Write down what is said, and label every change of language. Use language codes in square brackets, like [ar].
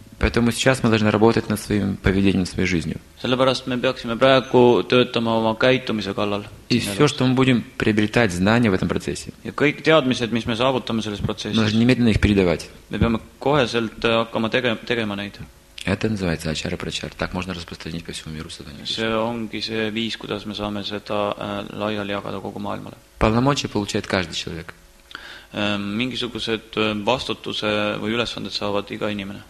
[ru] Поэтому сейчас мы должны работать над своим поведением, своей жизнью. [et] Sellepärast me peaksime praegu töötama oma käitumise kallal. [ru] И все, что мы будем приобретать знания в этом процессе. [et] Ja kõik teadmised, mis me saavutame selles [ru] процессе. Мы должны немедленно их передавать. [et] Me peame koheselt hakkama tegema neid. [ru] Это называется ачар-прачар. Так можно распространить по всему миру сознание. [et] See ongi see viis, kuidas me saame seda laiali jagada kogu maailmale. [ru] Полномочия получает каждый человек. [et] Mingisugused vastutuse või ülesanded saavad iga inimene.